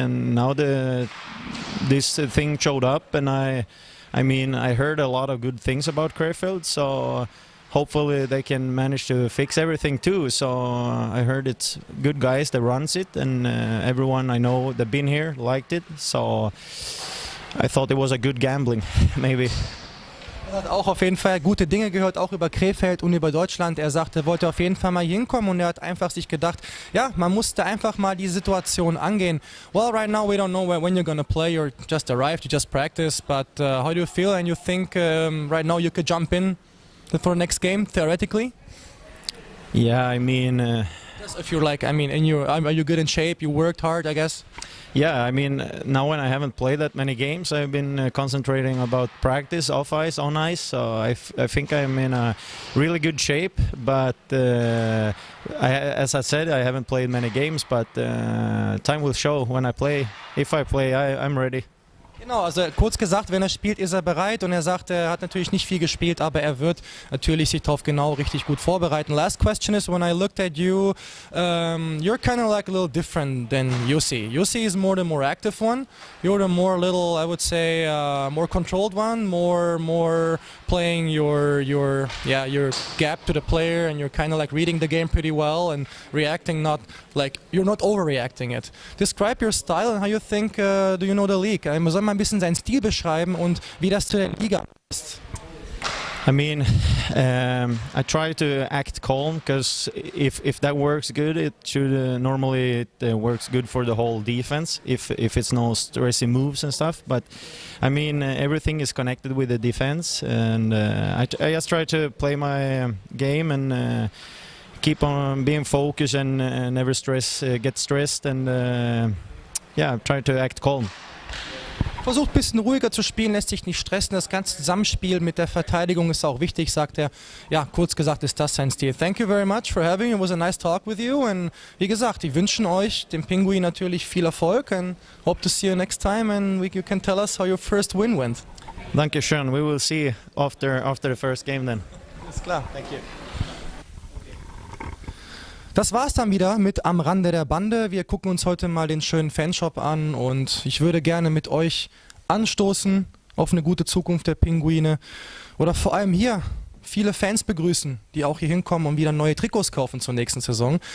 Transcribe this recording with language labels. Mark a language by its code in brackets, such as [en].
[en] And now this thing showed up, and I heard a lot of good things about Krefeld. So hopefully they can manage to fix everything too. So I heard it's good guys that runs it, and everyone I know that been here liked it. So I thought it was a good gambling, maybe. [de] Er hat auch auf jeden Fall gute Dinge gehört, auch über Krefeld und über Deutschland. Er sagte, er wollte auf jeden Fall mal hinkommen und er hat einfach sich gedacht, ja, man musste einfach mal die Situation angehen. [en] Well, right now we don't know when you're gonna play. You just arrived, you just practice, but how do you feel and you think right now you could jump in for the next game, theoretically? Yeah, I mean... Just if you're like, I mean, in your, are you good in shape? You worked hard, I guess? Yeah, I mean, now when I haven't played that many games, I've been concentrating about practice, off ice, on ice. So I think I'm in a really good shape. But as I said, I haven't played many games, but time will show when I play. If I play, I'm ready. [de] Genau, also kurz gesagt, wenn er spielt, ist er bereit. Und er sagt, er hat natürlich nicht viel gespielt, aber er wird natürlich sich darauf genau richtig gut vorbereiten. [en] Last question is, when I looked at you, you're kind of like a little different than Jussi. Jussi is more the more active one. You're the more little, I would say, more controlled one, more playing your gap to the player, and you're kind of like reading the game pretty well and reacting, not like you're not overreacting it. Describe your style and how you think, do you know the league? [de] I'm soll man ein bisschen seinen Stil beschreiben und wie das zu der Liga passt. [en] I mean, I try to act calm, because if that works good, it should normally it works good for the whole defense, if it's no stressy moves and stuff. But I mean, everything is connected with the defense, and I just try to play my game and keep on being focused and never stress get stressed, and try to act calm. [de] Versucht ein bisschen ruhiger zu spielen, lässt sich nicht stressen. Das ganze Zusammenspiel mit der Verteidigung ist auch wichtig, sagt er. Ja, kurz gesagt ist das sein Stil. [en] Thank you very much for having me. It was a nice talk with you. And [de] wie gesagt, ich wünsche euch, dem Pinguin, natürlich viel Erfolg. [en] And hope to see you next time. And you can tell us how your first win went. [de] Danke schön. [en] We will see you after the first game then. [de] Alles klar. [en] Thank you. [de] Das war's dann wieder mit Am Rande der Bande. Wir gucken uns heute mal den schönen Fanshop an und ich würde gerne mit euch anstoßen auf eine gute Zukunft der Pinguine oder vor allem hier viele Fans begrüßen, die auch hier hinkommen und wieder neue Trikots kaufen zur nächsten Saison.